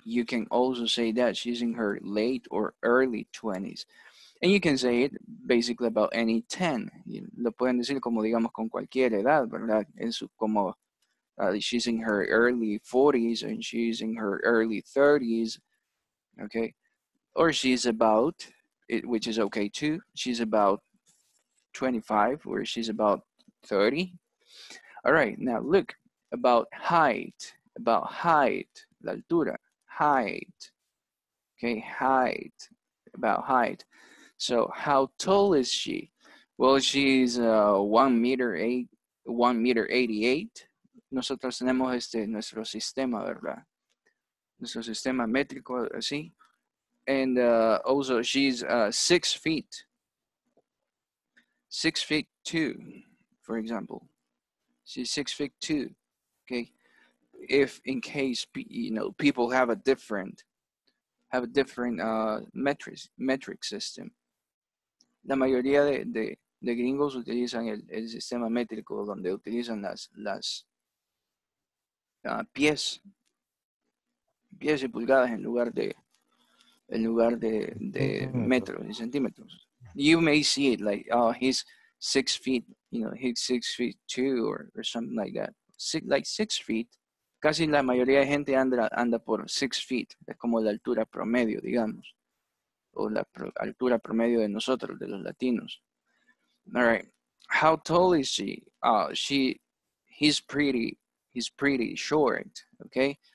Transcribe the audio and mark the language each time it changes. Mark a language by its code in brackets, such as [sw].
[en] You can also say that she's in her late or early 20s. And you can say it basically about any 10. [es] Lo pueden decir como digamos con cualquier edad, ¿verdad? En su como... [en] she's in her early 40s and she's in her early 30s, okay? Or she's about, which is okay too, she's about 25 or she's about 30. All right, now look, about height, la altura, height, okay, height, about height. So how tall is she? Well, she's 1 meter 88. [es] Nosotros tenemos nuestro sistema, ¿verdad? Nuestro sistema métrico, así. [en] And also, she's 6 feet. 6 feet two, for example. She's 6 feet two, okay? If in case, you know, people have a different metric system. [es] La mayoría de gringos utilizan el sistema métrico donde utilizan las pies y pulgadas en lugar de metros y centímetros. [en] You may see it like, oh, he's 6 feet, you know, he's 6 feet two or something like that. Six feet. [es] Casi la mayoría de gente anda por 6 feet. Es como la altura promedio, digamos. O la altura promedio de nosotros, de los latinos. All right. [en] How tall is she? He's pretty short, okay?